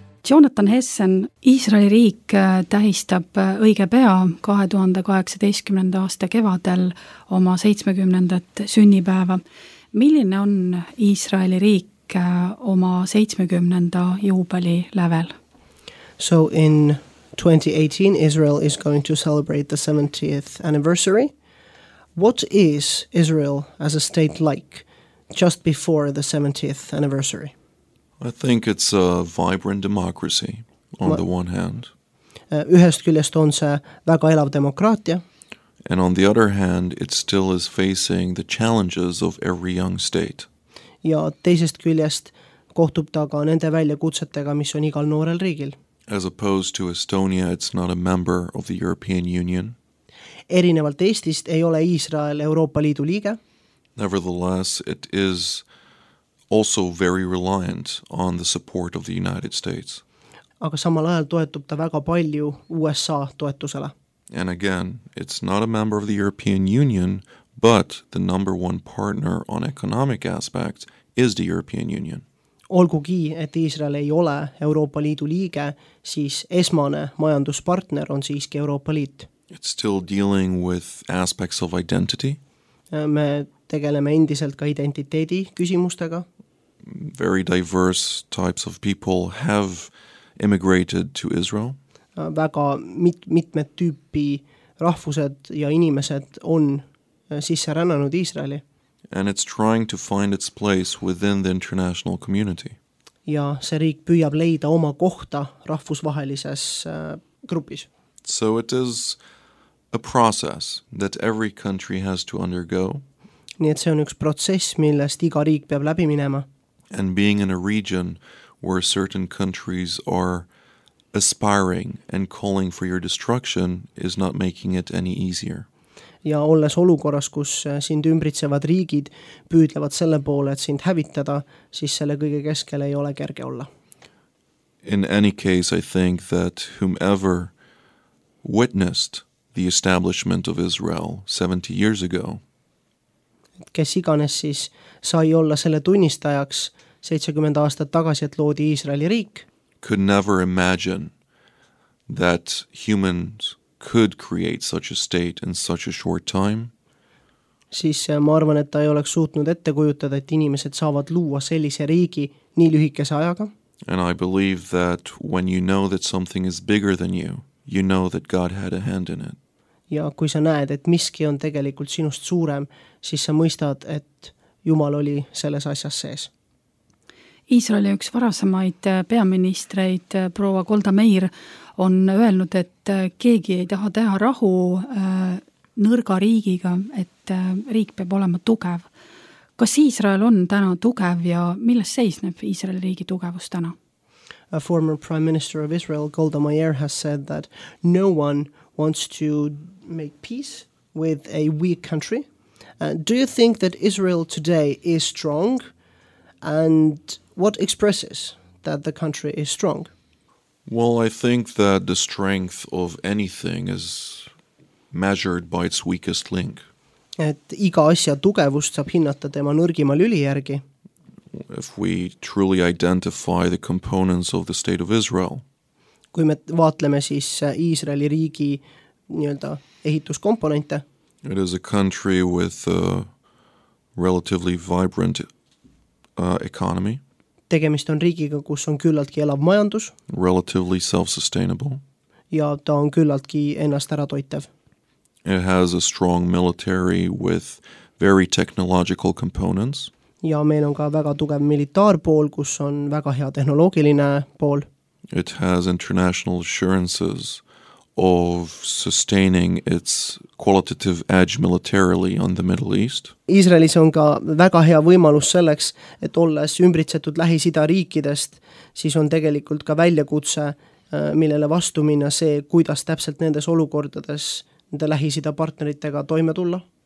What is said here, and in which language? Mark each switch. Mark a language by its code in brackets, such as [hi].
[et] Jonathan Hessen, Iisraeli riik tähistab õige pea 2018. Aasta kevadel oma 70. sünnipäeva. Milline on Iisraeli riik oma 70. juubeli lävel? [en] So in 2018, Israel is going to celebrate the 70th anniversary. What is Israel as a state like just before the 70th anniversary? I think it's a vibrant democracy on the one hand. [et] Ühest küljest on see väga elav demokraatia. [en] And on the other hand, it still is facing the challenges of every young state. [et] Ja teisest küljest kohtub ta ka nende väljakutsetega, mis on igal noorel riigil. [en] As opposed to Estonia, it's not a member of the European Union. [et] Erinevalt Eestist ei ole Iisrael Euroopa Liidu liige. [en] Nevertheless, it is also very reliant on the support of the United States. [et] Aga samal ajal toetub ta väga palju USA toetusele. [en] And again, it's not a member of the European Union, but the number one partner on economic aspects is the European Union. [et] Olgugi, et Iisrael ei ole Euroopa Liidu liige, siis esmane majanduspartner on siiski Euroopa Liit. [en] It's still dealing with aspects of identity. [et] Me tegeleme endiselt ka identiteedi küsimustega. [en] Very diverse types of people have immigrated to Israel. [et] Väga mitmed tüüpi rahvused ja inimesed on sisse rännanud Iisraeli. [en] And it's trying to find its place within the international community. [et] Ja see riik püüab leida oma kohta rahvusvahelises grupis. [en] So it is a process that every country has to undergo. [et] Nii et see on üks protsess, millest iga riik peab läbi minema. [en] And being in a region where certain countries are aspiring and calling for your destruction is not making it any easier. [et] Ja olles olukorras, kus sind ümbritsevad riigid püüdlevad selle poole, et sind hävitada, siis selle kõige keskel ei ole kerge olla. [en] In any case, I think that whomever witnessed the establishment of Israel 70 years ago, [et] kes iganes siis sai olla selle tunnistajaks 70 aastat tagasi, et loodi Iisraeli riik, [en] could never imagine that humans could create such a state in such a short time. [et] Siis ma arvan, et ta ei oleks suutnud ette kujutada, et inimesed saavad luua sellise riigi nii lühikese ajaga. [en] And I believe that when you know that something is bigger than you, you know that God had a hand in it. [et] Ja kui sa näed, et miski on tegelikult sinust suurem, siis sa mõistad, et Jumal oli selles asjas sees. Iisraeli üks varasemaid peaministreid, proua Golda Meir, on öelnud, et keegi ei taha teha rahu nõrga riigiga, et riik peab olema tugev. Kas Iisrael on täna tugev ja milles seisneb Iisraeli riigi tugevus täna? [en] A former prime minister of Israel, Golda Meir, has said that no one wants to make peace with a weak country. Do you think that Israel today is strong? And what expresses that the country is strong? Well, I think that the strength of anything is measured by its weakest link. [et] Et iga asja tugevust saab hinnata tema nõrgima lüli järgi. [en] If we truly identify the components of the state of Israel. [et] Kui me vaatleme siis Iisraeli riigi nii-öelda ehituskomponente. [en] It is a country with a relatively vibrant economy. [et] Tegemist on riigiga, kus on küllaltki elav majandus. [en] Relatively self-sustainable. [et] Ja ta on küllaltki ennast ära toitev. [en] It has a strong military with very technological components. [et] Ja meil on ka väga tugev militaarpool, kus on väga hea tehnoloogiline pool. [en] It has international assurances of sustaining its qualitative edge militarily on the Middle East. [et] Iisraelis on ka väga hea võimalus selleks, et olles ümbritsetud Lähis-Ida riikidest, siis on tegelikult ka väljakutse, millele vastu minna see, kuidas täpselt nendes olukordades nende Lähis-Ida partneritega toime tulla.